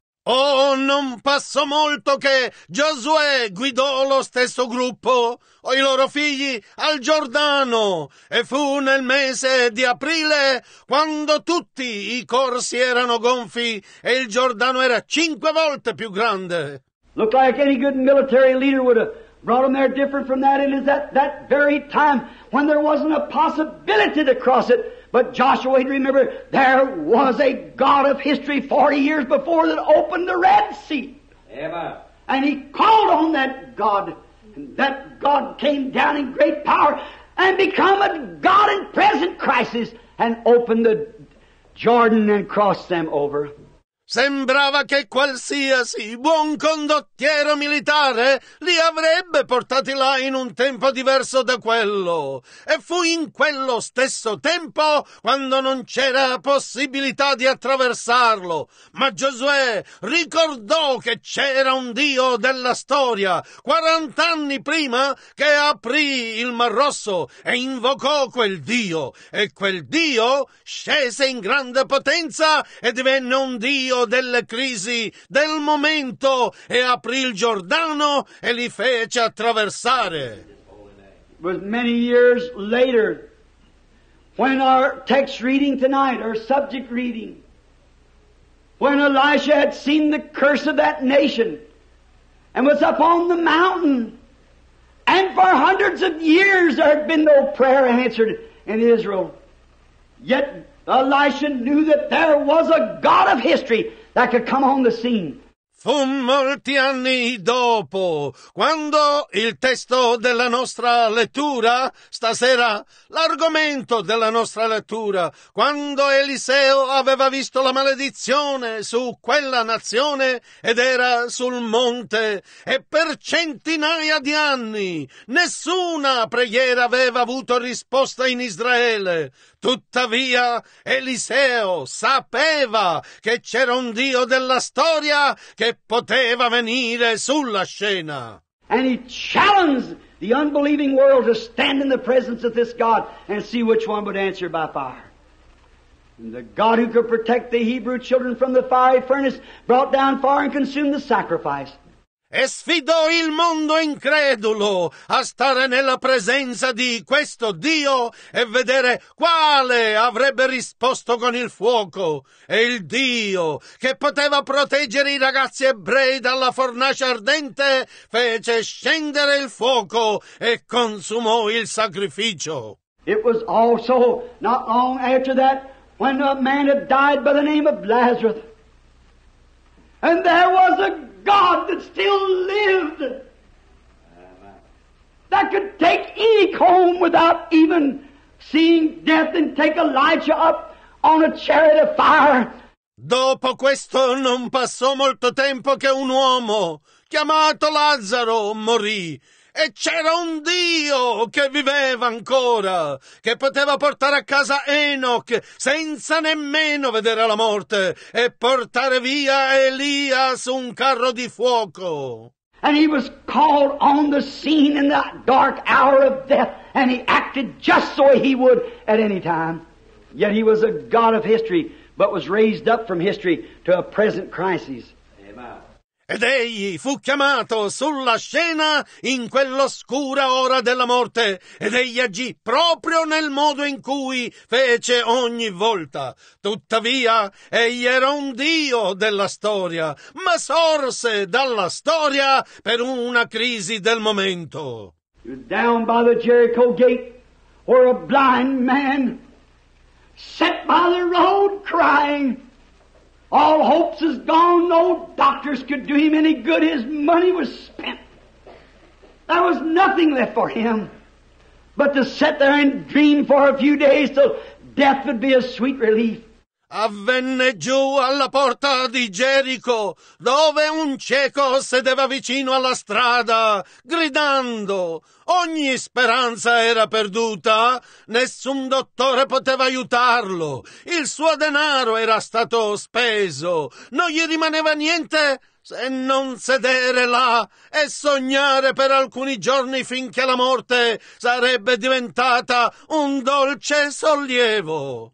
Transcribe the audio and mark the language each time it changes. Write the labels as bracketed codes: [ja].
[it] Oh, non passò molto che Giosuè guidò lo stesso gruppo o i loro figli al Giordano, e fu nel mese di aprile quando tutti i corsi erano gonfi e il Giordano era cinque volte più grande. [en] Looked like any good military leader would have brought them there different from that. It is at that very time when there wasn't a possibility to cross it. But Joshua, he'd remember, there was a God of history 40 years before that opened the Red Sea. Amen. And he called on that God and that God came down in great power and become a God in present crisis and opened the Jordan and crossed them over. [it] Sembrava che qualsiasi buon condottiero militare li avrebbe portati là in un tempo diverso da quello. E fu in quello stesso tempo quando non c'era possibilità di attraversarlo. Ma Giosuè ricordò che c'era un Dio della storia, 40 anni prima, che aprì il Mar Rosso e invocò quel Dio. E quel Dio scese in grande potenza e divenne un Dio delle crisi del momento e aprì il Giordano e li fece attraversare. [en] It was many years later when our text reading tonight, our subject reading, when Elisha had seen the curse of that nation and was up on the mountain, and for hundreds of years there had been no prayer answered in Israel, yet Elisha knew that there was a God of history that could come on the scene. [it] Fu molti anni dopo, quando il testo della nostra lettura, stasera l'argomento della nostra lettura, quando Eliseo aveva visto la maledizione su quella nazione ed era sul monte, e per centinaia di anni nessuna preghiera aveva avuto risposta in Israele. Tuttavia Eliseo sapeva che c'era un Dio della storia che poteva venire sulla scena. [en] And he challenged the unbelieving world to stand in the presence of this God and see which one would answer by fire. And the God who could protect the Hebrew children from the fiery furnace brought down fire and consumed the sacrifice. [it] E sfidò il mondo incredulo a stare nella presenza di questo Dio e vedere quale avrebbe risposto con il fuoco. E il Dio che poteva proteggere i ragazzi ebrei dalla fornace ardente fece scendere il fuoco e consumò il sacrificio. [en] It was also not long after that when a man had died by the name of Lazarus, and there was a God that still lived, that could take Enoch home without even seeing death and take Elijah up on a chariot of fire. [it] Dopo questo non passò molto tempo che un uomo chiamato Lazzaro morì. E c'era un Dio che viveva ancora, che poteva portare a casa Enoch senza nemmeno vedere la morte e portare via Elia su un carro di fuoco. [en] And he was called on the scene in that dark hour of death, and he acted just so he would at any time. Yet he was a God of history, but was raised up from history to a present crisis. [it] Ed egli fu chiamato sulla scena in quell'oscura ora della morte, ed egli agì proprio nel modo in cui fece ogni volta. Tuttavia, egli era un Dio della storia, ma sorse dalla storia per una crisi del momento. [en] Down by the Jericho gate, where a blind man sat by the road crying. All hopes is gone, no doctors could do him any good, his money was spent. There was nothing left for him but to sit there and dream for a few days till death would be a sweet relief. [it] Avvenne giù alla porta di Gerico, dove un cieco sedeva vicino alla strada, gridando. Ogni speranza era perduta, nessun dottore poteva aiutarlo, il suo denaro era stato speso, non gli rimaneva niente se non sedere là e sognare per alcuni giorni finché la morte sarebbe diventata un dolce sollievo.